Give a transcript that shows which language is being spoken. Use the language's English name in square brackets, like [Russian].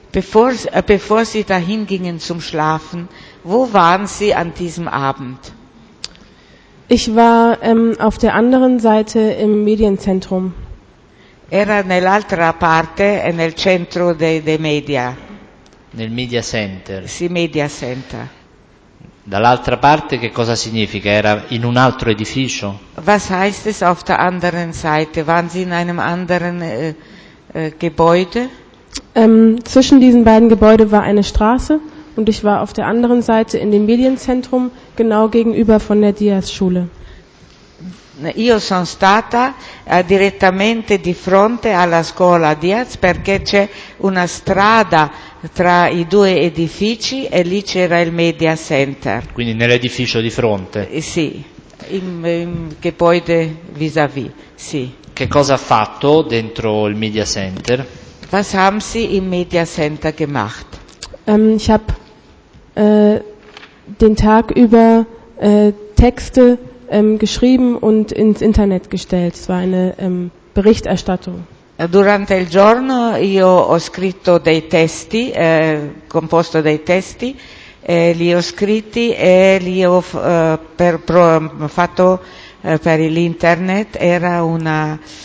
[German] Bevor Sie dahin gingen zum Schlafen, wo waren Sie an diesem Abend? Ich war auf der anderen Seite im Medienzentrum. [Italian] Era nell'altra parte e nel centro dei media. Nel Media Center. Sì, Media Center. Dall'altra parte che cosa significa? Era in un altro edificio? [German] Was heißt es auf der anderen Seite? Waren Sie in einem anderen Gebäude? Zwischen diesen beiden Gebäuden war eine Straße und ich war auf der anderen Seite in dem Medienzentrum genau gegenüber von der Diaz-Schule. [Italian] Io sono stata direttamente di fronte alla scuola Diaz perché c'è una strada tra i due edifici e lì c'era il Media Center. Quindi nell'edificio di fronte? [German] Sì, in Gebäude vis-à-vis, sì. [Italian] Che cosa ha fatto dentro il Media Center? [German] Was haben Sie im Media Center gemacht? Ich habe den Tag über Texte geschrieben und ins Internet gestellt. Es war eine Berichterstattung. [Italian] Durante il giorno io ho scritto dei testi, composto dei testi, li ho scritti e li ho fatto per l'internet. Era una